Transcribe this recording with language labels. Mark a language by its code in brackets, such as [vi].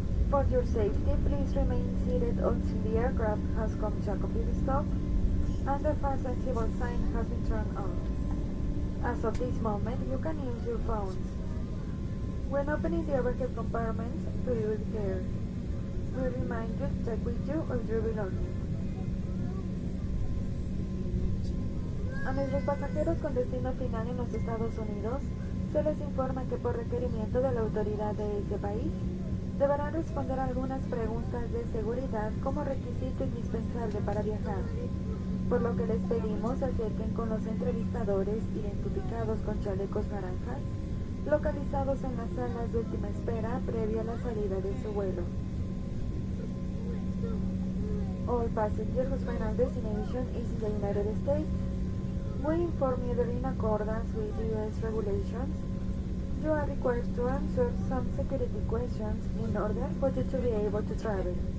[en] For your safety, please remain seated until the aircraft has come to a complete stop and the fasten seatbelt sign has been turned on. As of this moment, you can use your phones. When opening the overhead compartments, do it with care. We remind you to check with you or your belongings. [es] A nuestros pasajeros con destino final en los Estados Unidos, se les informa que por requerimiento de la autoridad de ese país, deberán responder algunas preguntas de seguridad como requisito indispensable para viajar, por lo que les pedimos acerquen con los entrevistadores identificados con chalecos naranjas, localizados en las salas de última espera previa a la salida de su vuelo. [en] All passengers whose final destination is in the United States, we inform you that in accordance with U.S. regulations, you are required to answer some security questions in order for you to be able to travel.